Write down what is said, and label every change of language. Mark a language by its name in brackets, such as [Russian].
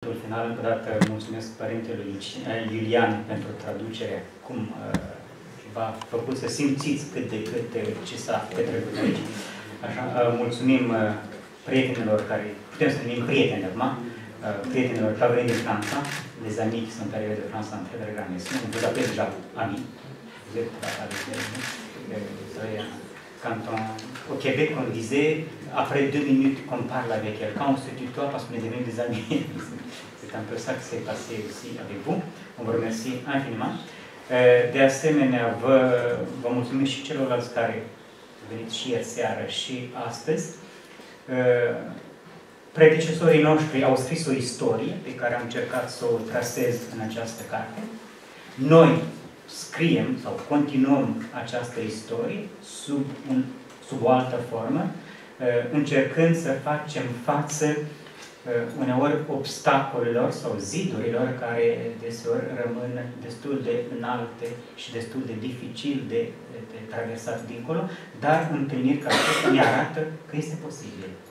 [Romanian] final, încă o dată, mulțumesc părintelui Iulian pentru traducerea, cum v-a făcut să simțiți cât de cât ce s-a petrecut aici. Așa, mulțumim prietenilor care, putem să numim prieteni acum, prietenilor care au venit din Franța, [French] les amis qui sont arrivés de France en très grand estime, vous appelez déjà amis, vous êtes à quand on, au Québec, on disait, après deux minutes qu'on parle avec quelqu'un, on se tutoie parce qu'on est devenus des amis. C'est un peu ça qui s'est passé aussi avec vous. On vous remercie infiniment. [Romanian] De asemenea, vă mulțumesc și celorlalți care au venit și ieri seară și astăzi. Predecesorii noștri au scris o istorie pe care am încercat să o trasez în această carte. Noi scriem sau continuăm această istorie sub o altă formă, încercând să facem față uneori obstacolelor sau zidurilor care deseori rămân destul de înalte și destul de dificil de traversat dincolo, dar întâlniri care ne arată că este posibil.